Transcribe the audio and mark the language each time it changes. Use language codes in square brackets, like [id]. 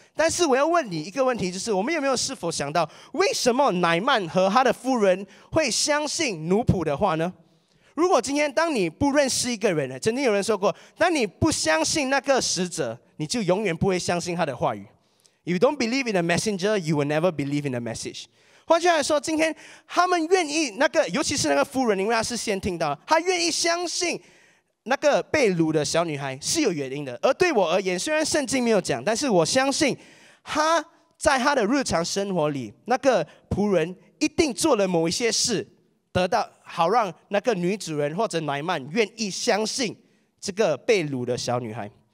[zh] 但是我要问你一个问题，就是我们有没有是否想到，为什么乃曼和他的夫人会相信奴仆的话呢？如果今天当你不认识一个人，曾经有人说过，当你不相信那个使者，你就永远不会相信他的话语。 [en] You don't believe in the messenger, you will never believe in the message。 [zh] 换句话说，今天他们愿意那个，尤其是那个夫人，因为她是先听到，她愿意相信那个被掳的小女孩是有原因的。而对我而言，虽然圣经没有讲，但是我相信她在她的日常生活里，那个仆人一定做了某一些事，得到好让那个女主人或者乃曼愿意相信这个被掳的小女孩。